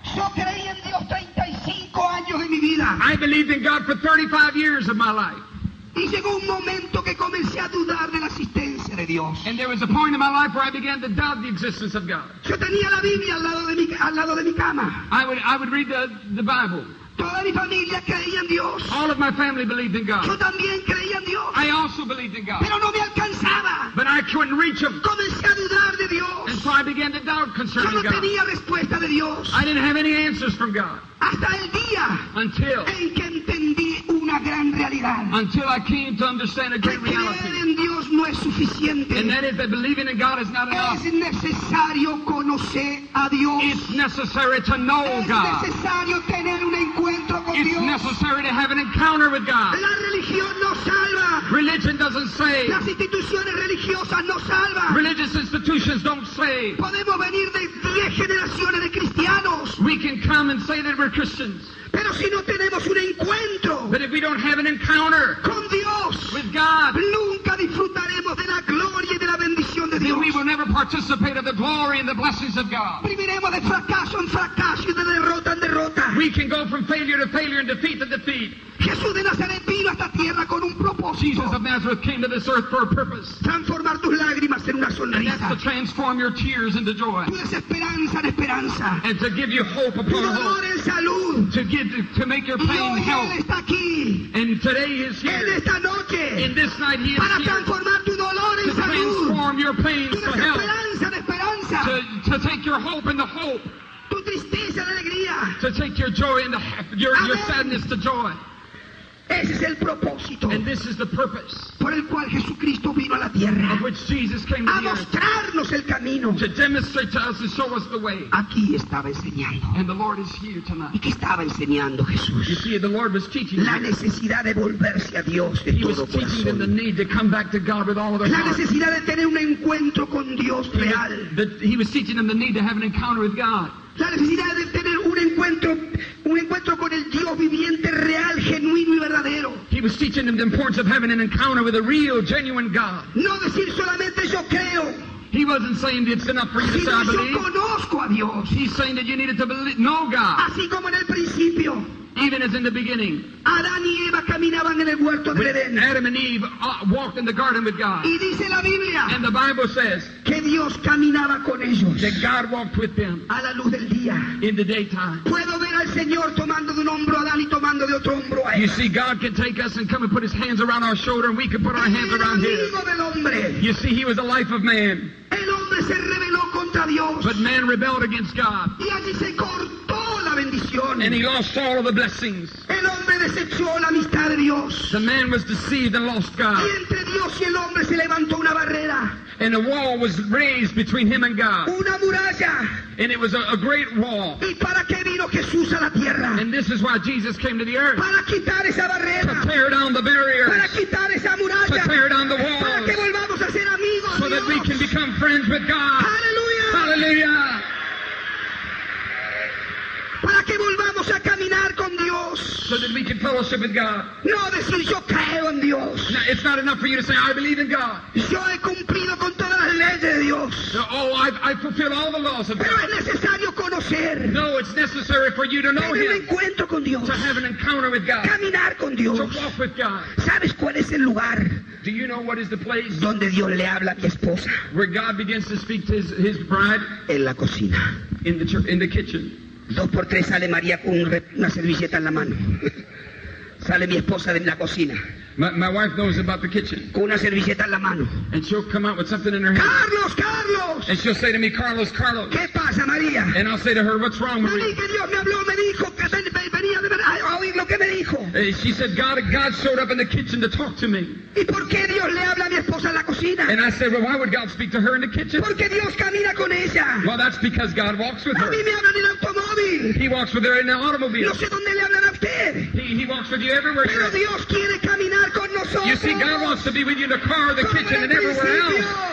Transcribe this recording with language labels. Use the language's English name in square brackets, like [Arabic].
[Spanish] Yo creí en Dios 35 años de mi vida. [English] I believed in God for 35 years of my life. [Spanish] Y llegó un momento que comencé a dudar de la existencia de Dios. [English] And there was a point in my life where I began to doubt the existence of God. [Spanish] Yo tenía la Biblia al lado de mi cama. [English] I would read the Bible. [Spanish] Toda mi familia creía en Dios. [English] All of my family believed in God. [Spanish] Yo también creía en Dios. [English] I also believed in God. [Spanish] Pero no me alcanzaba. [English] But I couldn't reach him. [Spanish] Comencé a dudar de Dios. [English] And so I began to doubt concerning God. [Spanish] Yo no tenía respuesta de Dios. [English] I didn't have any answers from God. [Spanish] Hasta el día [English] until [Spanish] en que entendí una gran realidad. [English] Until I came to understand a great reality. [Spanish] Que creer en Dios no es suficiente. [English] And that is that believing in God is not enough. [Spanish] Es necesario conocer a Dios. [English] It's necessary to know God. [Spanish] Es necesario tener un encuentro con [English] it's [Spanish] Dios. [English] It's necessary to have an encounter with God. [Spanish] La religión no salva. [English] Religion doesn't save. [Spanish] Las instituciones religiosas no salvan. [English] Religious institutions don't save. [Spanish] Podemos venir de 10 generaciones de cristianos. [English] We can come and say that we're Christians. [Spanish] Pero si no tenemos un encuentro, [English] but if we don't have an encounter [Spanish] con Dios, [English] with God, [Spanish] nunca disfrutaremos de la gloria y de la bendición de [English] then [Spanish] Dios. [English] We will never participate of the glory and the blessings of God. [Spanish] Viviremos de fracaso en fracaso y de derrota en derrota. [English] We can go from failure to failure and defeat to defeat. [Spanish] Jesús de Nazaret vino a esta tierra con un propósito. [English] Jesus of Nazareth came to this earth for a purpose. [Spanish] Transformar tus lágrimas en una sonrisa. [English] And that's to transform your tears into joy. [Spanish] Tu desesperanza en esperanza. [English] And to give you hope upon [Spanish] tu dolor [English] hope. [Spanish] En salud. [English] To make your pain [Spanish] y [English] help. [Spanish] Está aquí. [English] And today he is here. [Spanish] En esta noche. [English] In this night he is [Spanish] para [English] here. [Spanish] Transformar tu dolor en [English] to [Spanish] salud. [English] Transform your pain [Spanish] tu desesperanza [English] for help. [Spanish] En esperanza. [English] To take your hope in the hope. [Spanish] Tu tristeza en alegría. [English] To take your joy in the your sadness to joy. [Spanish] Ese es el propósito. [English] And this is the purpose. [Spanish] Por el cual Jesucristo vino a la tierra. [English] Of which Jesus came to [Spanish] a mostrarnos el camino. [English] To demonstrate to us and show us the way. [Spanish] Aquí estaba enseñando. [English] And the Lord is here tonight. [Spanish] ¿Y qué estaba enseñando Jesús? [English] You see, the Lord was teaching [Spanish] la necesidad de volverse a Dios de todo corazón. [English] He was teaching them the need to come back to God with all of their heart. [Spanish] La necesidad de tener un encuentro con Dios real. [English] He was teaching them the need to have an encounter with God. [Spanish] La necesidad de tener un encuentro con el Dios viviente real, genuino y verdadero. [English] He was teaching them the importance of having an encounter with a real, genuine God. [Spanish] No decir solamente yo creo. [English] He wasn't saying that it's enough for you to say I believe. [Spanish] Yo conozco a Dios. [English] He's saying that you needed to believe, know God. [Spanish] Así como en el principio. [English] Even as in the beginning. [Spanish] Adán y Eva caminaban en el huerto del Edén. [English] Adam and Eve walked in the garden with God. [Spanish] Y dice la Biblia. [English] And the Bible says. [Spanish] Que Dios caminaba con ellos. [English] That God walked with them. [Spanish] A la luz del día. [English] In the daytime. [Spanish] Puedo ver al Señor tomando de un hombro a Adán y tomando de otro hombro a Eva. [English] You see, God can take us and come and put his hands around our shoulder and we can put our hands around him. [Spanish] El amigo del hombre. [English] You see, he was the life of man. [Spanish] El hombre se rebeló contra Dios. [English] But man rebelled against God. [Spanish] Y allí se cortó. [English] And he lost all of the blessings. [Spanish] El hombre desechó la amistad de Dios. [English] The man was deceived and lost God. [Spanish] Y entre Dios y el hombre se levantó una barrera. [English] And a wall was raised between him and God. [Spanish] Una muralla. [English] And it was a great wall. [Spanish] ¿Y para qué vino Jesús a la tierra? [English] And this is why Jesus came to the earth. [Spanish] Para quitar esa barrera. [English] To tear down the barriers. [Spanish] Para quitar esa muralla. [English] To tear down the walls. [Spanish] Para que volvamos a ser amigos, [English] so [Spanish] Dios. [English] That we can become friends with God. Hallelujah. Hallelujah. [Spanish] Para que volvamos a caminar con Dios. [English] So that we can fellowship with God. [Spanish] No decir yo creo en Dios. [English] Now, it's not enough for you to say I believe in God. [Spanish] Yo he cumplido con todas las leyes de Dios. [English] No, oh, I fulfill all the laws of God. [Spanish] Pero es necesario conocer. [English] No, it's necessary for you to know [Spanish] tener [English] him. [Spanish] Un encuentro con Dios. [English] To have an encounter with God. [Spanish] Caminar con Dios. [English] To walk with God. [Spanish] ¿Sabes cuál es el lugar? [English] Do you know what is the place? [Spanish] Donde Dios le habla a mi esposa. [English] Where God begins to speak to his bride. [Spanish] En la cocina. [English] In the kitchen. [Spanish] Dos por tres sale María con una servilleta en la mano. Sale mi esposa de la cocina. [English] My wife knows about the kitchen. [Spanish] Con una servilleta en la mano. [English] And she'll come out with something in her [Spanish] Carlos, [English] hand. [Spanish] Carlos, Carlos. [English] And she'll say to me, Carlos, Carlos. [Spanish] ¿Qué pasa, María? [English] And I'll say to her, what's wrong, María? [Spanish] Que Dios me habló, me dijo que venía de verdad a oír lo que me dijo. [English] And she said, God showed up in the kitchen to talk to me. [Spanish] ¿Y por qué Dios le habla a mi esposa en la cocina? [English] And I said, well, why would God speak to her in the kitchen? [Spanish] Porque Dios camina con ella. [English] Well, that's because God walks with [Spanish] a [English] her. [Spanish] A mí me habla en el automóvil. [English] He walks with her in the automobile. [Spanish] No sé dónde le hablan a usted. [English] He walks with you everywhere. [Spanish] Pero [English] you're [Spanish] Dios quiere caminar. [English] You see, God wants to be with you in the car, the kitchen, and everywhere else.